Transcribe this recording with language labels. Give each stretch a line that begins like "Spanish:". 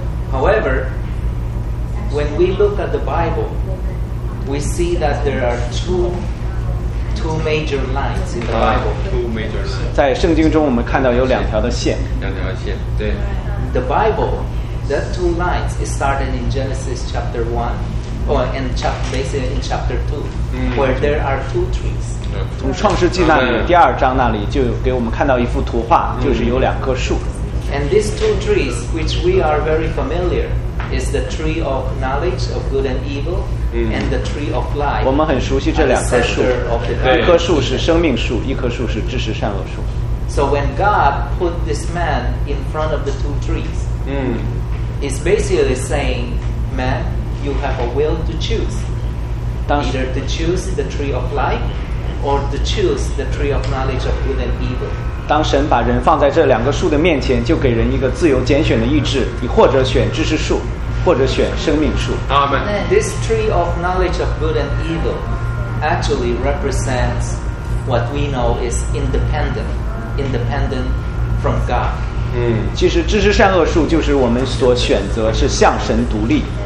English: However, when we look at the Bible, we see that there are two major lines in the Bible. Two major lines.
Chinese: 在圣经中，我们看到有两条的线。两条线，对。
English: The Bible, the two lines, is started in Genesis chapter 1, or in basically in chapter 2, where there are two trees.
Chinese: 从创世纪那里，第二章那里就给我们看到一幅图画，就是有两棵树。
English: And these two trees, which we are very familiar, is the tree of knowledge of good and evil, and the tree of life.
Chinese: 我们很熟悉这两棵树，一棵树是生命树，一棵树是知识善恶树。
English: So when God put this man in front of the two trees, it's basically saying, man, you have a will to choose. Either to choose the tree of life, or to choose the tree of knowledge of good and evil.
Chinese: 当神把人放在这两个树的面前，就给人一个自由拣选的意志，你或者选知识树，或者选生命树。
English: Amen. This tree of knowledge of good and evil actually represents what we know is independent from God.
Chinese: 其实知识善恶树就是我们所选择是向神独立。